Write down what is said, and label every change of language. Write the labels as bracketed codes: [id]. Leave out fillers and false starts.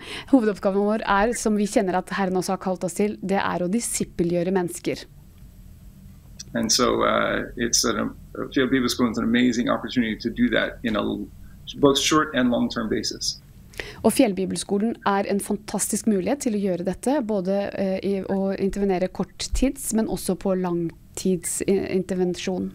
[no] Hovedoppgaven vår er, som vi kjenner at Herren også har kalt oss til, det å disippelgjøre mennesker. [en] And so it's a Field Bible School is an amazing opportunity to do that in a both short and long-term basis. [no] Og Fjellbibelskolen en fantastisk mulighet til å gjøre dette, både å intervenere korttids, men også på langtidsintervensjon.